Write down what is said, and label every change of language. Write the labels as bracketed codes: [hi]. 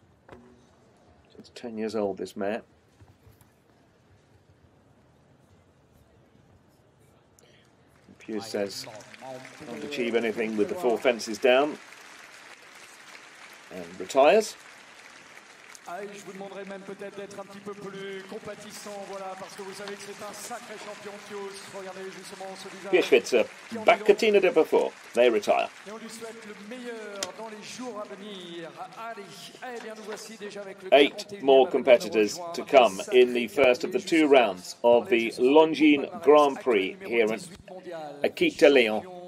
[en] So it's 10 years old, this mare. Pugh says, can't achieve anything with the four fences down. And retires. [fr] Je vous demanderai même peut-être d'être un petit peu plus compatissant, voilà, parce que vous savez que c'est un sacré champion. Regardez justement ce visage. [en] Pierre Schwitzer, Bacatina de Beaufort, they retire. [fr] Et on lui souhaite le meilleur dans les jours à venir. Allez, eh bien nous voici déjà avec le [en] 8 more competitors to come in the first of the two rounds of the Longines Grand Prix here in Aquitaine, Lyon.